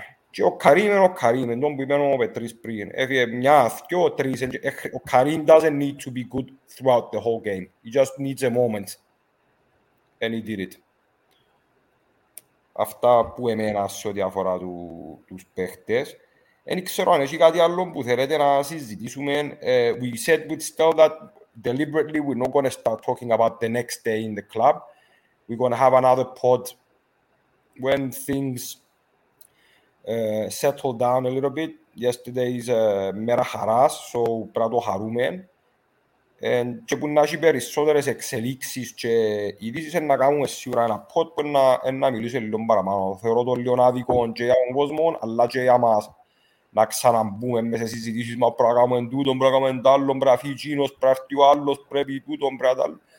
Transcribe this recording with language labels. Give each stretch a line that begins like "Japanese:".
Greek: Και ο Καρίμ, τον που είπαν ο Πετρής πριν, έφυγε μια, δυο, τρεις, ο Καρίμ
English: doesn't need to be good throughout the whole game. He just needs a moment. And he did it.
Greek: Αυτά που εμένα σε ό,τι αφορά τους παίχτες. Δεν ξέρω αν έχει κάτι άλλο που θέλετε να συζητήσουμε.
English: We said with Stel that deliberately we're not going to start talking about the next day in the club. We're going to have another pod when things settle down a little bit. Yesterday is Mera Haras, so Prado Harumen.
Greek: And και που να έχει περισσότερες εξελίξεις και ειδήσεις να κάνουμε σίγουρα ένα pod που να μιλήσω λίγο παραπάνω. Θεωρώ το λίγο άδικο για τον κόσμο, αλλά και για μας. Να ξαναμπούμε μέσα στις συζητήσεις μας, πρέπει να κάνουμε τούτο, πρέπει να κάνουμε τάλλο, πρέπει να φύγει εκείνος, πρέπει να έρθει ο άλλος, πρέπει τούτο, πρέπει να τάλλο.